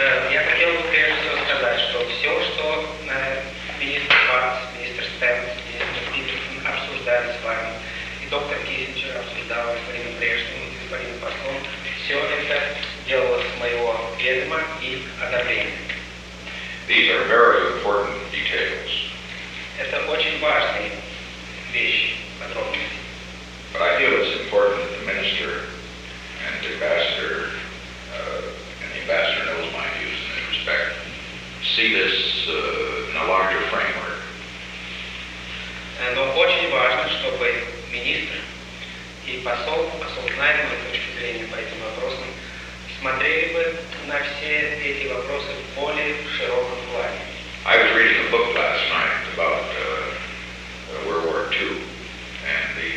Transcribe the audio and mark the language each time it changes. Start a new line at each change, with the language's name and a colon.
Russian: Я хотел бы прежде сказать, что все, что министр Ватс, министр Стэнс, министр Питерсон обсуждали с вами, и доктор Киссинджер обсуждал с вами Брежневым, с вами послом, все это делалось с моего ведома и одобрения.
English: These are very important details.
Russian: Это очень важные вещи, подробности.
English: But I feel it's important that the minister and the ambassador, and the ambassador knows my views in this respect, see this in a larger framework.
Russian: Но очень важно, чтобы министр и посол знали мою точку зрения по этим вопросам, смотрели бы на все эти вопросы в более широком плане.
English: I was reading a book last night about World War II and